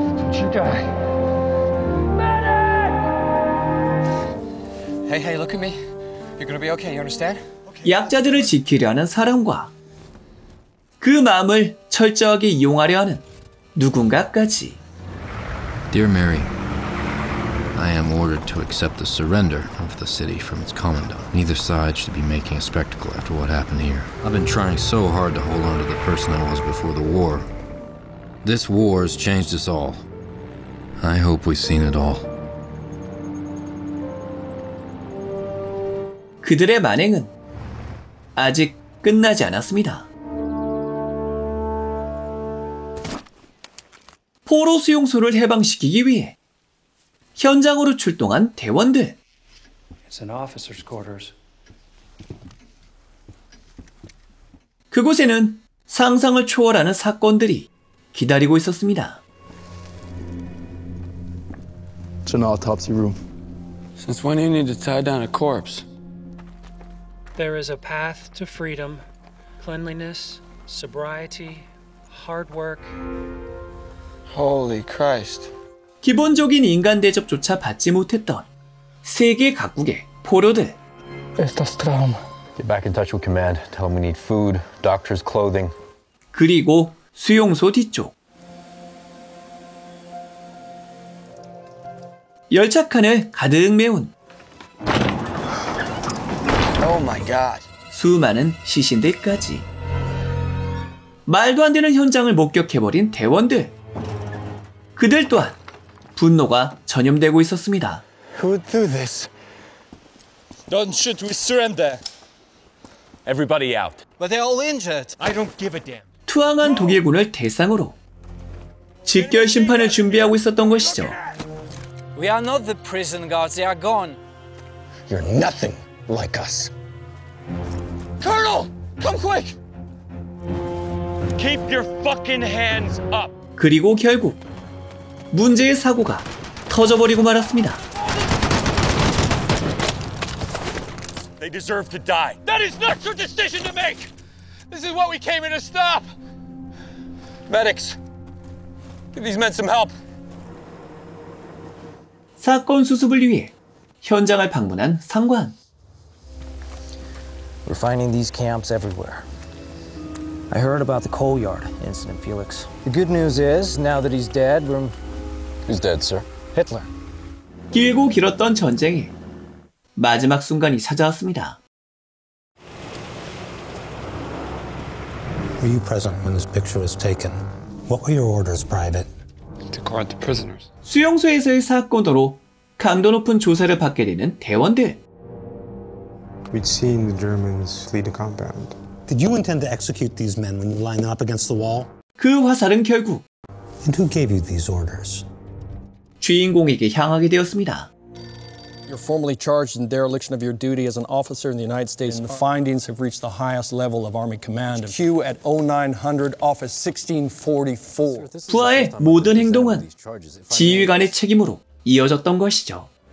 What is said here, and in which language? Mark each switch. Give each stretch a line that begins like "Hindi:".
English: Did you die? Medic! Hey, look at me. You're gonna be okay, you understand?
Korean: 약자들을 지키려 하는 사람과 그 마음을 철저하게 이용하려 하는 누군가까지.
English: Dear Mary, I am ordered to accept the surrender of the city from its commandant. Neither side should be making a spectacle after what happened here. I've been trying so hard to hold on to the person I was before the war. This war has changed us all. I hope we've seen it all.
Korean: 그들의 만행은 아직 끝나지 않았습니다. 포로 수용소를 해방시키기 위해 현장으로 출동한 대원들.
English: It's an officer's quarters.
Korean: 그곳에는 상상을 초월하는 사건들이 기다리고 있었습니다.
English: It's an autopsy room. Since when do you need to tie down a corpse? There is a path to freedom, cleanliness, sobriety, hard work. Holy Christ.
Korean: 기본적인 인간 대접조차 받지 못했던 세계 각국의 포로들. Estas trauma.
English: Get back in touch with command. Tell them we need food, doctor's clothing.
Korean: 그리고 수용소 뒤쪽. 열차칸을 가득 메운.
English: Oh my God.
Korean: 수많은 시신들까지. 말도 안 되는 현장을 목격해버린 대원들. 그들 또한 분노가 전염되고 있었습니다.
English: Who would do this? Don't shoot, we surrender. Everybody out. But they're all injured. I don't give a damn.
Korean: 투항한 독일군을 대상으로 직결 심판을 준비하고 있었던 것이죠.
English: We are not the prison guards, they are gone. You're nothing like us. Colonel, come quick! Keep your fucking hands up.
Korean: 그리고 결국 문제의 사고가 터져버리고 말았습니다.
English: They deserve to die. That is not your decision to make. This is what we came here to stop. Medics, give these men some help.
Korean: 사건 수습을 위해 현장을 방문한 상관.
English: We're finding these camps everywhere. I heard about the coal yard incident, Felix. The good news is, now that he's dead, we're He's dead, sir. Hitler.
Korean: 길고 길었던 전쟁의 마지막 순간이 찾아왔습니다.
English: Were you present when this picture was taken? What were your orders, Private? To guard the prisoners.
Korean: 수용소에서의 사건으로 강도 높은 조사를 받게 되는 대원들.
English: We'd seen the Germans flee the compound. Did you intend to execute these men when you lined them up against the wall?
Korean: 그 화살은 결국.
English: And who gave you these orders?
Korean: 주인공에게 향하게 되었습니다.
English: You're formally charged in dereliction of your duty as an officer in the United States and the findings have reached the highest level of army command. Q at 0900 office 1644.
Korean: 부하의 모든 행동은 지휘관의 책임으로 이어졌던 것이죠.